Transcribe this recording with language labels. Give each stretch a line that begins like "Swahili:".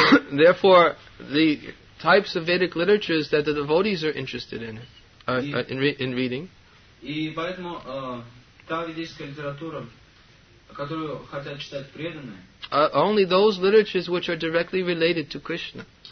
English: Therefore, the types of Vedic literatures that the devotees are interested in, reading.
Russian: И поэтому та ведическая литература, которую хотят читать преданные.
English: Only those literatures which are directly related to Krishna.